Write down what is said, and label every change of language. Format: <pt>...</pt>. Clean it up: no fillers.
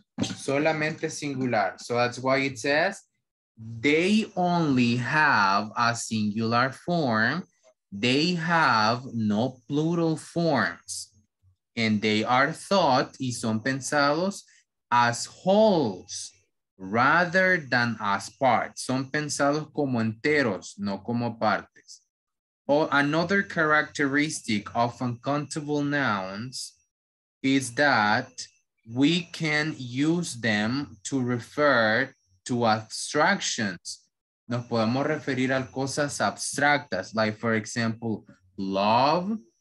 <es>Solamente singular.</es> <en>So that's why it says they only have a singular form. They have no plural forms. And they are thought,</en> <es>y son pensados,</es> <en>as wholes rather than as parts.</en> <es>Son pensados como enteros, no como partes.</es> <en>Or another characteristic of uncountable nouns is that we can use them to refer to abstractions.</en> <es>Nos podemos referir a cosas abstractas,</es> <en>like for example, love.</en>